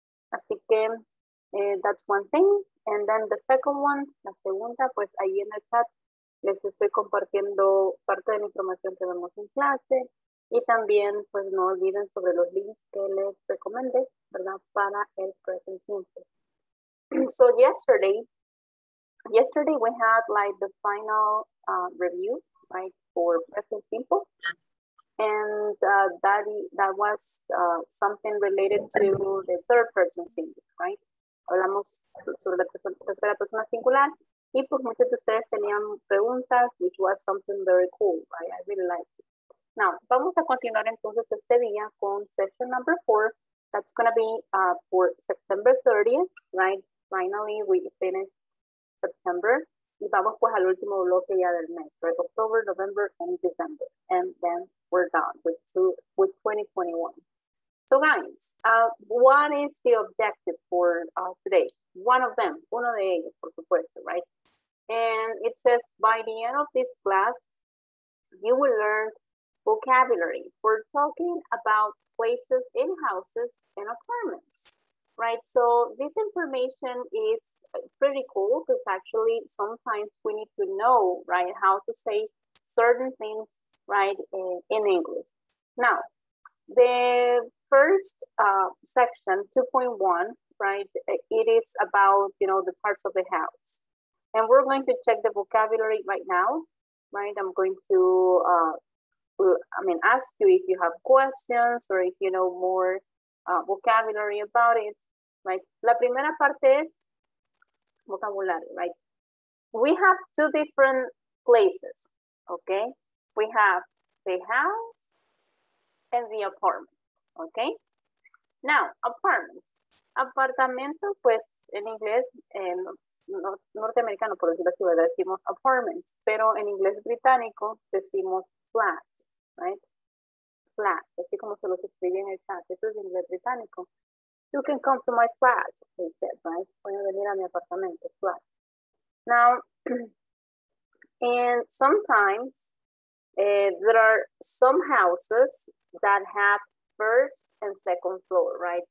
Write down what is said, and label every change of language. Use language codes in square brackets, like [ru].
[es] Así que, [en] that's one thing. And then the second one, [es] la segunda, pues ahí en el chat les estoy compartiendo parte de la información que vemos en clase. Y también, pues no olviden sobre los links que les recomendé, ¿verdad? Para el present simple. [en] So yesterday we had like the final review, right? For present simple. And that was something related to the third person singular, right? [es] Hablamos sobre la tercera persona singular. Y pues muchos de ustedes tenían preguntas, [en] which was something very cool, right? I really liked it. [es] Now, vamos a continuar entonces este día con session number 4. [en] That's going to be for September 30th, right? Finally, we finished September. [es] Y vamos pues al último bloque ya del mes, right? [en] October, November, and December. And then we're done with 2021. So guys, what is the objective for today? One of them, [es] uno de ellos, por supuesto, right? [en] And it says, by the end of this class, you will learn vocabulary for talking about places in houses and apartments, right? So this information is pretty cool because actually sometimes we need to know, right, how to say certain things, right, in English. Now, the first section, 2.1, right, it is about, you know, the parts of the house. And we're going to check the vocabulary right now, right? I'm going to, I mean, ask you if you have questions or if you know more vocabulary about it, right? [es] La primera parte es vocabulario, right? [en] We have two different places, okay? We have the house and the apartment, okay? Now, apartments. [es] Apartamento, pues, en inglés, en norteamericano, por decirlo así, decimos apartments, pero en inglés británico decimos flat. Right? Flat. Así como se los escribí en el chat. Eso es inglés británico. [en] You can come to my flat, they said, right? [es] Pueden venir a mi apartamento, [en] flat. Now, and sometimes there are some houses that have first and second floor, right?